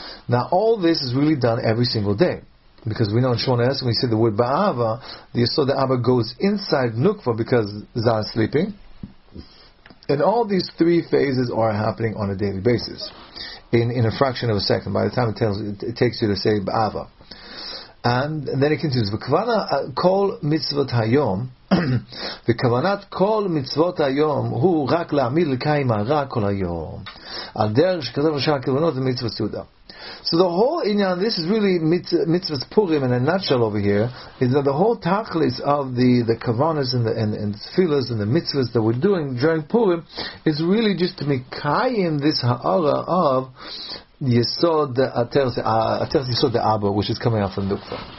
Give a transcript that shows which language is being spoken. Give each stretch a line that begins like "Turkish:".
English: Now, all this is really done every single day. Because we know in Shona Esk, when you say the word Ba'ava, the Yisod Abba goes inside Nukva because Zah is sleeping. And all these three phases are happening on a daily basis. In a fraction of a second, by the time it takes you to say Ba'ava. And then it continues.
Hebrew: V'kvana kol mitzvot hayom. וכוונת כל מצוות היום הוא רק להעמיד לקיים הרע כל היום על דרך שכתב ראשי הכוונות ומצוות סעודה.
English: So the whole inyan, this is really mitzvot Purim in a nutshell over here, is that the whole tachlis of the kavanas and the tefillas and the mitzvot that we're doing during Purim is really just to mekayim this ha'ara of yesod ateres yesod de'aba, which is coming out from Nukva.